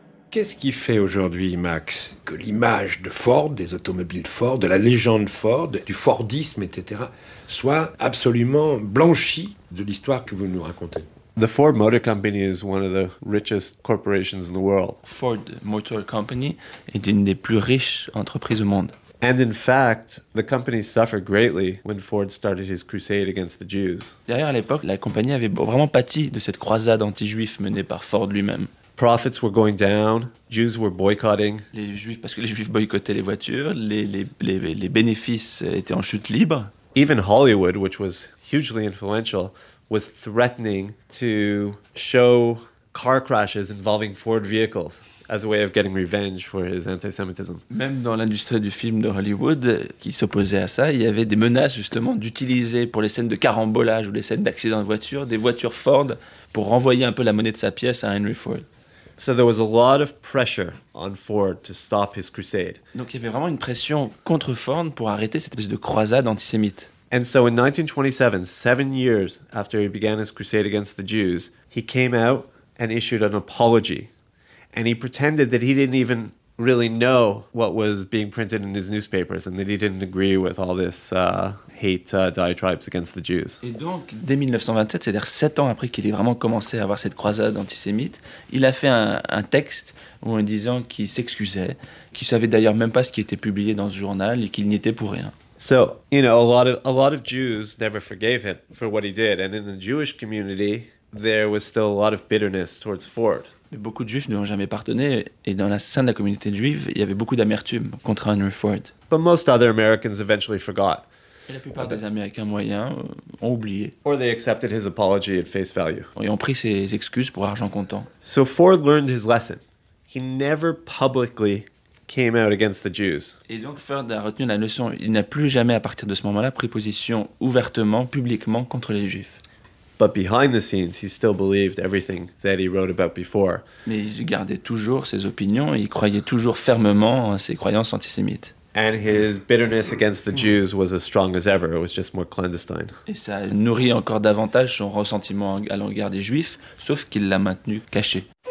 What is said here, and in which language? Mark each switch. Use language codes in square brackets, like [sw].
[fr] Qu'est-ce qui fait aujourd'hui, Max, que l'image de Ford, des automobiles Ford, de la légende Ford, du Fordisme, etc., soit absolument blanchie de l'histoire que vous nous racontez? [en] The Ford Motor Company is one of the richest corporations in the world. [fr] Ford Motor Company est une des plus riches entreprises au monde. [en] And in fact, the company suffered greatly when Ford started his crusade against the Jews. [fr] D'ailleurs, à l'époque, la compagnie avait vraiment pâti de cette croisade anti-juif menée par Ford lui-même. [en] Profits were going down. Jews were boycotting. [fr] Les juifs, parce que les juifs boycottaient les voitures, les bénéfices étaient en chute libre. [en] Even Hollywood, which was hugely influential, was threatening to show car crashes involving Ford vehicles as a way of getting revenge for his anti-Semitism. [fr] Même dans l'industrie du film de Hollywood, qui s'opposait à ça, il y avait des menaces justement d'utiliser pour les scènes de carambolage ou les scènes d'accident de voiture, des voitures Ford pour renvoyer un peu la monnaie de sa pièce à Henry Ford. [en] So there was a lot of pressure on Ford to stop his crusade. [fr] Donc il y avait vraiment une pression contre Ford pour arrêter cette espèce de croisade antisémite. [en] And so in 1927, 7 years after he began his crusade against the Jews, he came out and issued an apology. And he pretended that he didn't even really know what was being printed in his newspapers and that he didn't agree with all this hate diatribes against the Jews. [fr] Et donc, dès 1927, c'est-à-dire 7 ans après qu'il ait vraiment commencé à avoir cette croisade antisémite, il a fait un texte où en disant qu'il s'excusait, qu'il ne savait d'ailleurs même pas ce qui était publié dans ce journal et qu'il n'y était pour rien. [en] So, you know, a lot of Jews never forgave him for what he did. And in the Jewish community, there was still a lot of bitterness towards Ford. [fr] Mais beaucoup de Juifs ne lui ont jamais pardonné, et dans la sein de la communauté juive, il y avait beaucoup d'amertume contre Henry Ford. [en] But most other Americans eventually forgot. [fr] Et la plupart des Américains moyens ont oublié. [en] Or they accepted his apology at face value. [fr] Ils ont pris ses excuses pour argent comptant. [en] So Ford learned his lesson. He never publicly came out against the Jews. [fr] Et donc Ford a retenu la leçon. Il n'a plus jamais, à partir de ce moment-là, pris position ouvertement, publiquement contre les Juifs. [en] But behind the scenes, he still believed everything that he wrote about before. [fr] Mais il gardait toujours ses opinions, il croyait toujours fermement en ses croyances antisémites. [en] And his bitterness against the Jews was as strong as ever, it was just more clandestine. [fr] Et ça nourrit encore davantage son ressentiment à l'égard des Juifs, sauf qu'il l'a maintenu caché.